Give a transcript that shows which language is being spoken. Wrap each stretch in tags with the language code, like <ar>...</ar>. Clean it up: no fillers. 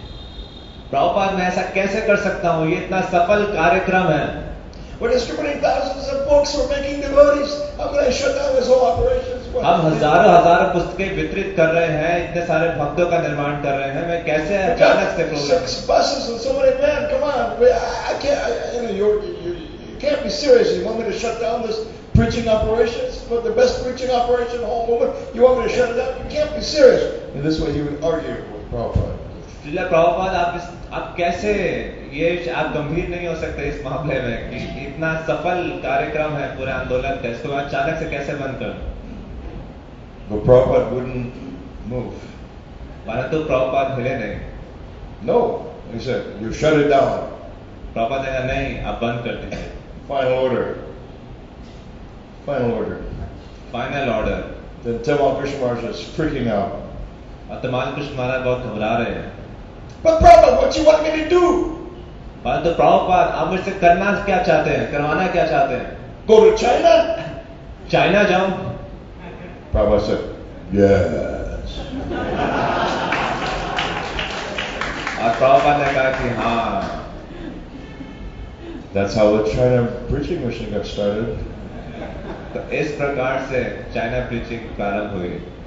<hi>प्रभुपाद, मैं ऐसा कैसे कर सकता हूं, ये इतना सफल कार्यक्रम है.</hi> <en>We're distributing thousands of books. We're making devotees. I'm going to shut down this whole operation.</en> <hi>हम हजारों हजारों पुस्तकें वितरित कर रहे हैं, इतने सारे भक्तों का निर्माण कर रहे हैं, मैं कैसे अचानक से खोल रहा हूँ?</hi> <en>Six buses and so many men. Come on, I can't. You know, you can't be serious. You want me to shut down this preaching operations, but the best preaching operation in the whole movement, you want me to shut it down? You can't be serious. In this way, he would argue with Prabhupada.</en> <hi>Srila Prabhupada आप कैसे ये आप गंभीर नहीं हो सकते इस मामले में कि इतना सफल कार्यक्रम है पूरे आंदोलन का इसको आप चालक से कैसे बंद कर</hi> <en>वो Prabhupada wouldn't move</en> <hi>माना तो प्रभुपाद हिले नहीं</hi> <en>no he said you shut it down</en> <hi>Prabhupada ने कहा नहीं आप बंद कर दीजिए</hi> <en>final order final order final order the टेमा Krishna Maharaj is freaking out</en> <hi>अतमान Krishna महाराज बहुत घबरा रहे हैं</hi> <en>But Prabhupada, what you want me to do? But the</en> <hi>Prabhupada, आप मुझसे करना क्या चाहते हैं? करवाना क्या चाहते हैं?</hi> <en>Go to China?</en> <hi>China जाऊं?</hi> <en>Prabhupada said, yes.</en> <hi>और Prabhupada ने कहा कि हाँ.</hi> <en>That's how the China preaching mission got started.</en> <hi>तो इस प्रकार से China preaching प्रारंभ हुई.</hi>